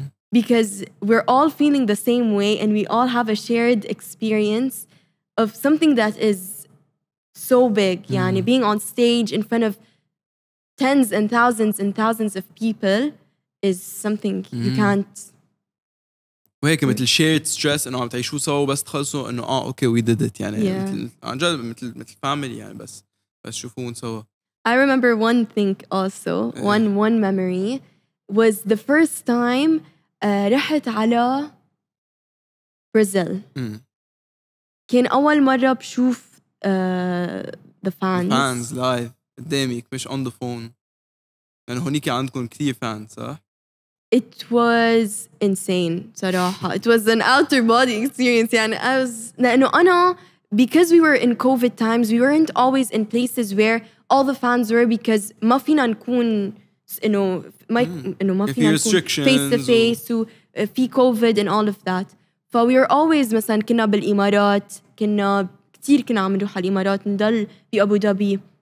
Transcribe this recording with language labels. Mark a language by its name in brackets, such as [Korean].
[English] Because we're all feeling the same way and we all have a shared experience of something that is so big. Yani, being on stage in front of tens and thousands of people is something you can't... [Arabic] وهيك مثل [English] shared stress [Arabic] انه عم تعيشوا سوا بس تخلصوا انه [English] okay, we did it. [Arabic] يعني عن جد مثل family يعني بس شوفوهم سوا. [English] I remember one thing also, one memory, was the first time رحت على Brazil. [Arabic] كان أول مرة بشوف [English] the fans. The fans live, [Arabic] قدامك, مش [English] on the phone. [Arabic] يعني هونيك عندكم كثير fans, صح؟ [English] It was insane, [Arabic] صراحة. [English] It was an outer body experience. يعني I was, [Arabic] لأنه أنا [English] because we were in COVID times, we weren't always in places where all the fans were, because [Arabic] ما فينا نكون, ما فينا نكون [English] face to face, so في COVID and all of that. [Arabic] ف [English] we were always [Arabic] مثلا كنا بالإمارات, كنا كتير كنا عم نروح على الإمارات, نضل في أبو دبي.